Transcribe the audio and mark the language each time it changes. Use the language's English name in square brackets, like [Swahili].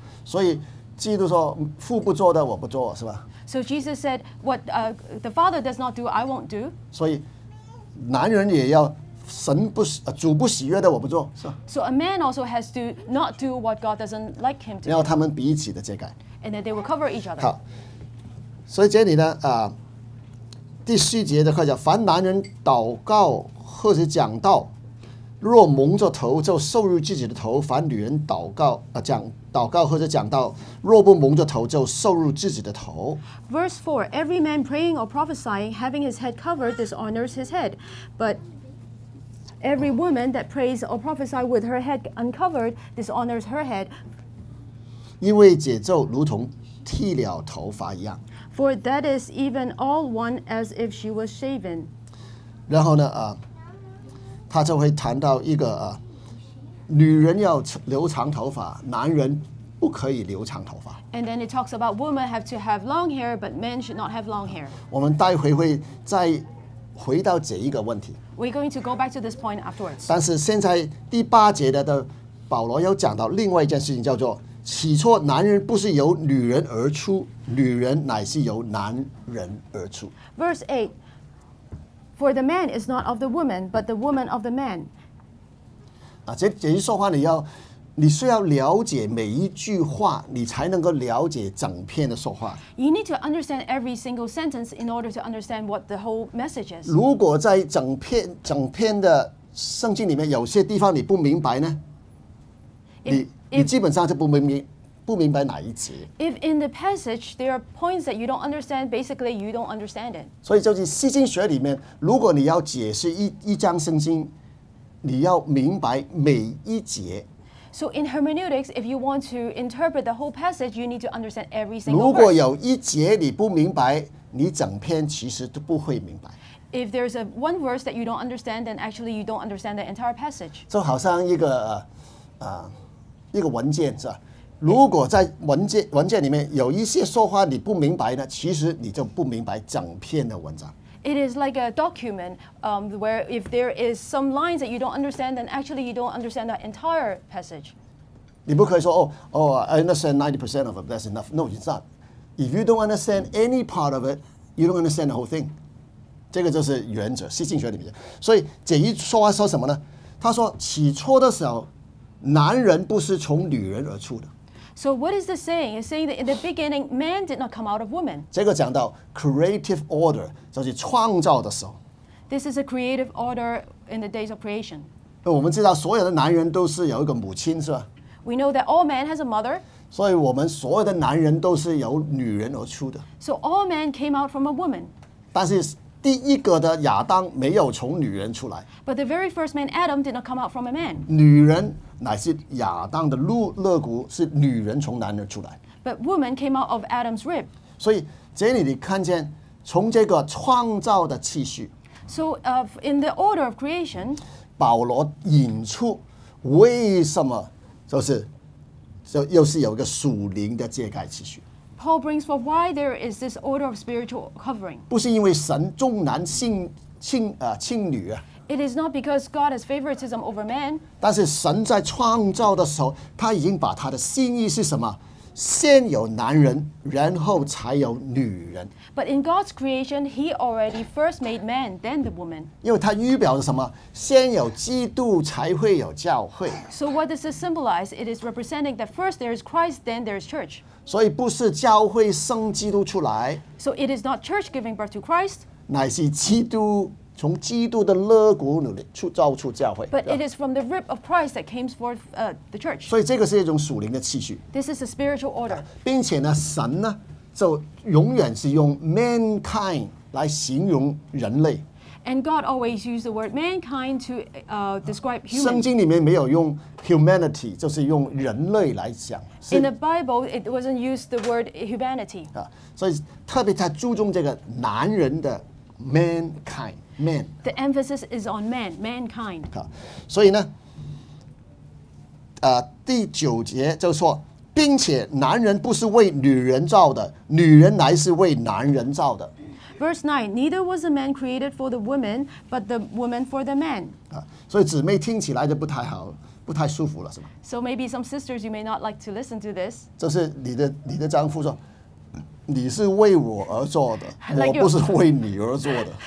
[Chinese] 所以基督说父不做的我不做，是吧？ [English] So Jesus said, "What the Father does not do, I won't do." [Chinese] 所以男人也要神不主不喜悦的我不做，是吧 [English] ？So a man also has to not do what God doesn't like him to. [Chinese] 然后他们彼此的遮盖。 [English] And then they will cover each other. [Chinese] 好，所以这里呢，第四节的课叫凡男人祷告或者讲道，若蒙着头，就受辱自己的头；凡女人祷告祷告或者讲道，若不蒙着头，就受辱自己的头。 [English] Verse 4, every man praying or prophesying, having his head covered, dishonors his head. But every woman that prays or prophesies with her head uncovered, dishonors her head. [Chinese] 因为解咒如同剃了头发一样。 [English] For that is even all one as if she was shaven. [Chinese] 然后呢，他就会谈到一个女人要留长头发，男人不可以留长头发。 [English] And then it talks about women have to have long hair, but men should not have long hair. [Chinese] 我们待会会再回到这一个问题。 [English] We're going to go back to this point afterwards. [Chinese] 但是现在第八节的保罗又讲到另外一件事情，叫做起初男人不是由女人而出，女人乃是由男人而出。 [English] Verse 8, for the man is not of the woman, but the woman of the man. [Chinese] 这一说话你需要了解每一句话，你才能够了解整篇的说话。 [English] You need to understand every single sentence in order to understand what the whole message is. [Chinese] 如果在整篇的圣经里面有些地方你不明白呢？你基本上就不明白哪一节。 [English] If in the passage there are points that you don't understand, basically you don't understand it. [Chinese] 所以就是释经学里面，如果你要解释一章圣经，你要明白每一节。 [English] So in hermeneutics, if you want to interpret the whole passage, you need to understand every single [Chinese] 如果有一节你不明白，你整篇其实都不会明白。 [English] If there's one verse that you don't understand, then actually you don't understand the entire passage. [Chinese] 就好像一个文件是吧？如果在文件里面有一些说话你不明白呢，其实你就不明白整篇的文章。 [English] It is like a document, where if there is some lines that you don't understand, then actually you don't understand the entire passage. [Chinese] 你不可以说 [English] I understand 90% of it. That's enough. No, it's not. If you don't understand any part of it, you don't understand the whole thing. [Chinese] 这个就是原则，释经学里面。所以这一说话说什么呢？他说起初的时候，男人不是从女人而出的。 [English] So what is the saying? It's saying that in the beginning, man did not come out of woman. [Chinese] 这个讲到 creative order, 就是创造的时候。 [English] This is a creative order in the days of creation. [Chinese] 我们知道所有的男人都是有一个母亲，是吧？ [English] We know that all men has a mother. [Chinese] 所以我们所有的男人都是由女人而出的。 [English] So all men came out from a woman. [Chinese] 但是第一个的亚当没有从女人出来。 [English] But the very first man, Adam, did not come out from a man. [Chinese] 女人乃是亚当的肋骨，是女人从男人出来。 [English] But woman came out of Adam's rib. [Chinese] 所以这里你看见从这个创造的次序。 [English] So in the order of creation, [Chinese] 保罗引出为什么就又是有一个属灵的界概次序。 [English] Paul brings forth why there is this order of spiritual covering. [Chinese] 不是因为神重男轻女啊。 [English] It is not because God has favoritism over man. [Chinese] 但是神在创造的时候，他已经把他的心意是什么？先有男人，然后才有女人。 [English] But in God's creation, He already first made man, then the woman. [Chinese] 因为他预表着什么？先有基督，才会有教会。 [English] So what does this symbolize? It is representing that first there is Christ, then there is church. [Chinese] 所以不是教会生基督出来。 [English] So it is not church giving birth to Christ. [Chinese] 乃是基督。从基督的肋骨里造出教会。 [English] But it is from the rib of Christ that came forth the church. [Chinese] 所以这个是一种属灵的次序。 [English] This is a spiritual order. [Chinese] 并且呢，神呢，就永远是用 mankind 来形容人类。 [English] And God always used the word mankind to describe humans. [Chinese] 圣经里面没有用 humanity， 就是用人类来讲。 [English] In the Bible, it wasn't used the word humanity. [Chinese] 所以特别他注重这个男人的 mankind。Man. [English] The emphasis is on man, mankind. [Chinese] 所以呢，第九节就说，并且男人不是为女人造的，女人乃是为男人造的。 [English] Verse 9, neither was the man created for the woman, but the woman for the man. [Chinese] 所以姊妹听起来就不太好，不太舒服了，是吧？ [English] So maybe some sisters, you may not like to listen to this. [Chinese] 就是你的丈夫说你是为我而做的，我不是为你而做的。